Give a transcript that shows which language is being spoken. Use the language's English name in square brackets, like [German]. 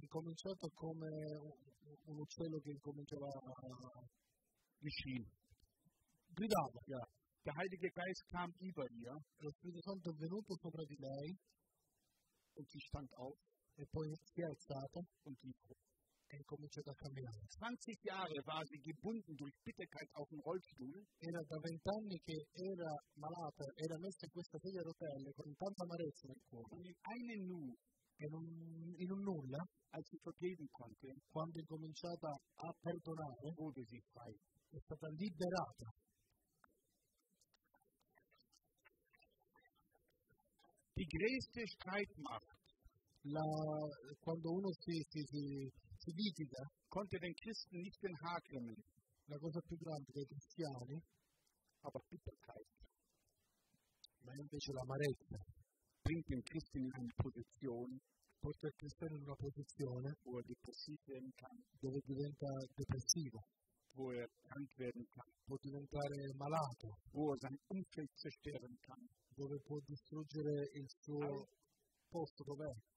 [Italian] incominciato come un uccello che incominciava a gridava. [German] Ja. Der Heilige Geist kam über ihr. [Italian] Lo Spirito Santo è venuto sopra di lei. [German] Und sie stand auf. [Italian] E poi si è alzata. [German] Und sie [Italian] è incominciato a camminare. [German] 20 Jahre war sie gebunden durch Bitterkeit auf dem Rollstuhl. [Italian] Era da 20 anni che era malata, era messa in questa sedia a rotelle con tanta amarezza nel cuore. [German] In eine nu, [Italian] in un nulla, [German] als sie vergeben konnte, [Italian] quando è cominciata a perdonare, [German] wurde sie frei. [Italian] È stata liberata. [German] Die größte Streitmacht, [Italian] quando uno si Vitica, [German] konnte den Christen nicht den Haar krümmen. [Italian] La cosa più grande dei cristiani, [German] aber Bitterkeit. [Italian] Ma invece l'amarezza [German] bringt den Christen in eine Position, [Italian] porta il cristiano in una posizione, [German] wo er depressiv werden kann, [Italian] dove diventa depressivo, [German] wo er krank werden kann, [Italian] può diventare malato, [German] wo er sein Umfeld zerstören kann, [Italian] dove può distruggere il suo posto dov'è.